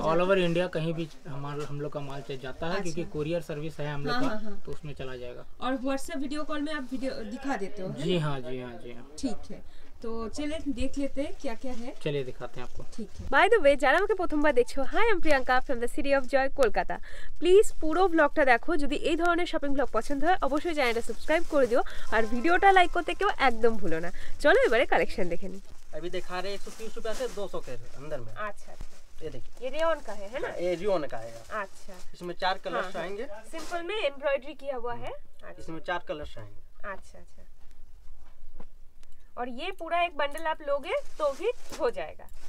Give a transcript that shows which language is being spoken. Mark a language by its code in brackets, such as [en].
[hi] All over India कहीं भी हम लोग का माल चल जाता है, क्योंकि कुरियर सर्विस है हम लोग का, तो उसमें चला जाएगा। और व्हाट्सएप वीडियो कॉल में आप दिखा देते हो? जी हाँ जी हाँ जी हाँ। ठीक है, तो चलिए देख लेते हैं क्या क्या है, चलिए दिखाते हैं आपको। ठीक है। [en] by the way, [hi] जरा मुझे प्रथम बार देखो, [en] Hi I am Priyanka from the city of joy Kolkata. [bn] Please पूरो ব্লগটা দেখো, যদি এই ধরনের শপিং ব্লগ পছন্দ হয় অবশ্যই চ্যানেলটা সাবস্ক্রাইব করে দিও, আর ভিডিওটা লাইক করতে কেউ একদম ভুলো না। চলো এবারে কালেকশন দেখে নি। [hi] अभी दिखा रहे 130 रुपए से 200 के अंदर में। अच्छा, ये देखिए, ये रियोन का है ना? ये रियोन का है। अच्छा, इसमें चार कलर्स आएंगे, सिंपल में एम्ब्रॉयडरी किया हुआ है, इसमें चार कलर्स आएंगे। अच्छा अच्छा, और ये पूरा एक बंडल आप लोगे तो भी हो जाएगा।